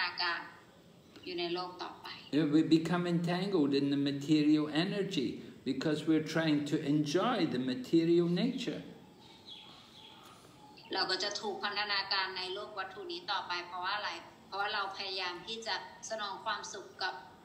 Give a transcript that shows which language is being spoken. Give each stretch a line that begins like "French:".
Thai: ก็คือถ้าเกิดเราเนี่ยมีความยึดติดนะคะยึดติดกับของมันเราก็จะกลายเป็นคนที่มีความโลภพอโลภแล้วเนี่ยเราก็จะสุดท้ายผลที่เราจะได้รับจากสิ่งนั้นก็คือจะทำให้เราเนี่ยถูกพันธนาการอยู่ในโลกต่อไป
English: We become entangled in the material energy because we're trying to enjoy the material nature
Thai: เราก็จะถูกพันธนาการในโลกวัตถุนี้ต่อไปเพราะว่าอะไรเพราะว่าเราพยายามที่จะสนองความสุขกับ